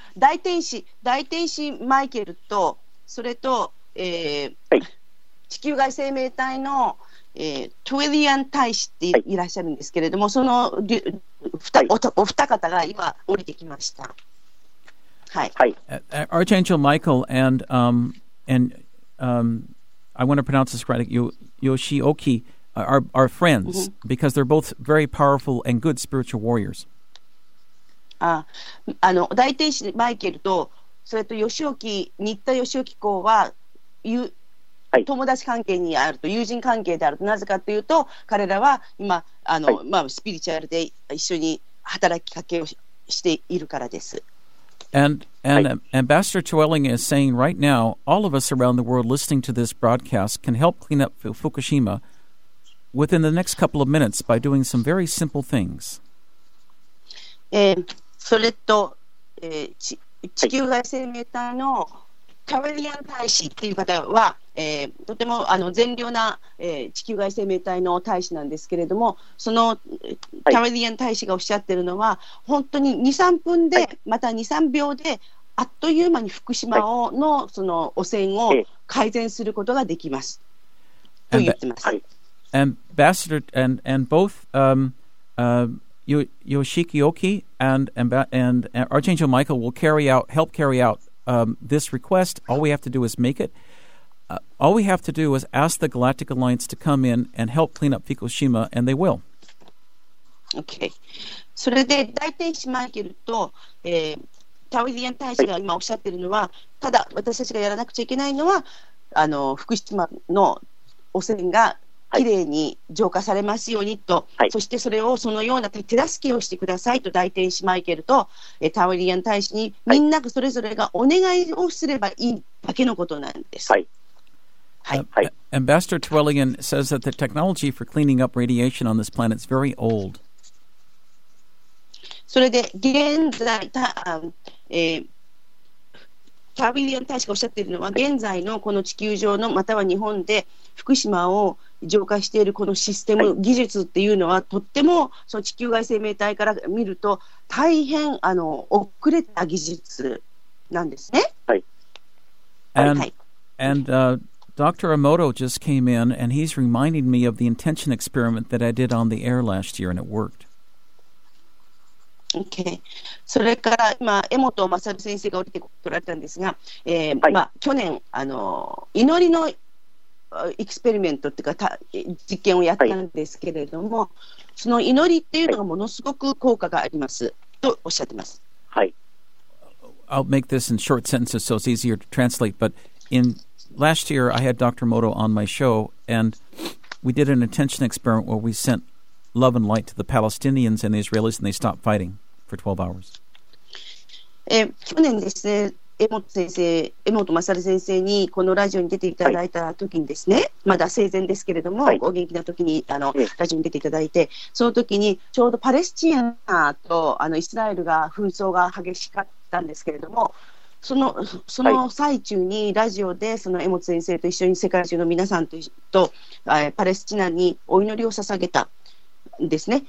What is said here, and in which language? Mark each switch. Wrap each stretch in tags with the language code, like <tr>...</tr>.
<ja>大天使マイケルと、それと、はい、地球外生命体の、トゥイリアン大使っていらっしゃるんですけれども、はい、その お二方が今降りてきました。はい、はい、</ja> <en>Archangel Michael and I want to pronounce this right, Yoshioki are friends、mm-hmm. because they're both very powerful and good spiritual warriors.</en> <ja>大天使マイケルと、それと吉岡、新田吉岡校は、はい、友達関係にあると、友人関係であると、なぜかというと、彼らは今、はい、まあ、スピリチュアルで一緒に働きかけを しているからです。</ja> <en>And、はい、Ambassador Twellingen is saying right now, all of us around the world listening to this broadcast can help clean up Fukushima within the next couple of minutes by doing some very simple things.</en> <ja>それと、地球外生命体のトゥイリアン大使っていう方は、とても善良な、地球外生命体の大使なんですけれども、そのトゥイリアン大使がおっしゃってるのは、はい、本当に 2,3 分で、はい、また 2,3 秒であっという間に福島を、はい、その汚染を改善することができます、はい、と言ってます。</ja> <en>Ambassador and both Yoshioki and Archangel Michael will help carry out this request. All we have to do is make it. All we have to do is ask the Galactic Alliance to come in and help clean up Fukushima, and they will. Okay.</en> <ja>それで大天使マイケルと、タウイリアン大使が今おっしゃってるのは、ただ私たちがやらなくちゃいけないのは、福島の汚染がきれいに浄化されますようにと、はい、そしてそれをそのような手助けをしてくださいと、大天使マイケルとタウリアン大使にみんながそれぞれがお願いをすればいいだけのことなんです。はい。はい。</ja> <en>Ambassador Twellingen says that the technology for cleaning up radiation on this planet is very old.</en> <ja>それで現在タウリアン大使がおっしゃっているのは、現在のこの地球上のまたは日本で福島を浄化しているこのシステム、はい、技術っていうのはとってもその地球外生命体から見ると大変遅れた技術なんですね。はい。</ja> <en>And Dr. Amoto just came in and he's reminding me of the intention experiment that I did on the air last year and it worked. Okay.</en> <ja>それから今江本正先生が降りてこられたんですが、はい、まあ、去年祈りのエクスペリメントっていうか実験をやったんですけれども、はい、その祈りっていうのがものすごく効果がありますとおっしゃってます。はい。</ja> <en>I'll make this in short sentences so it's easier to translate. But in last year, I had Dr. Moto on my show, and we did an intention experiment where we sent love and light to the Palestinians and the Israelis, and they stopped fighting for 12 hours.</en> <ja>去年ですね、江本先生、江本勝先生にこのラジオに出ていただいた時にですね、はい、まだ生前ですけれども、はい、お元気な時にラジオに出ていただいて、その時にちょうどパレスチナとイスラエルが紛争が激しかったんですけれども、その最中にラジオでその江本先生と一緒に世界中の皆さん とパレスチナにお祈りを捧げたんですね。</ja>